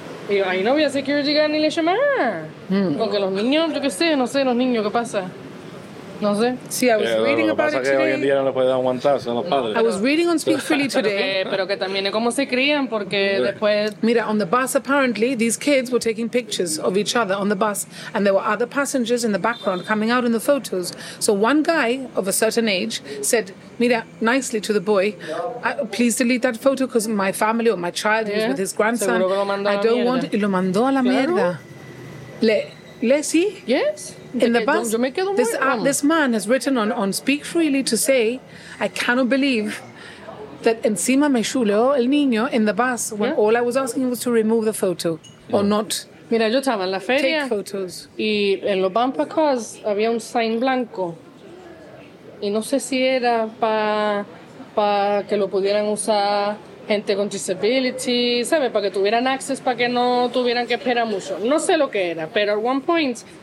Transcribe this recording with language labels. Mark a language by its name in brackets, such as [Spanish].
[Spanish] Y ahí no había security guard ni le llamaba. Porque los niños, yo qué sé, no sé, los niños, ¿qué pasa? No sé. Sí, [English] I was reading about it today. [Spanish] Hoy en día no lo pueden aguantar, son los padres. [English] I was reading on Speak Freely today. [Spanish] pero que también es como se crían, porque después... Mira, [English] on the bus, apparently, these kids were taking pictures of each other on the bus, and there were other passengers in the background coming out in the photos. So one guy of a certain age said, [Spanish] mira, [English] nicely to the boy, please delete that photo, because my family or my child who's with his grandson, I don't want... [Spanish] Y lo mandó a la mierda. Le sí. [English] Yes. In the bus, this man has written on Speak Freely to say, I cannot believe that [Spanish] encima me chuleó el niño [English] in the bus when all I was asking was to remove the photo or not. [Spanish] Mira, yo estaba en la feria. [English] Take photos. [Spanish] Y en los bumper cars había un sign blanco. Y no sé si era pa que lo pudieran usar gente con disability, ¿sabes? Para que tuvieran access, para que no tuvieran que esperar mucho. No sé lo que era, pero [English] at one point...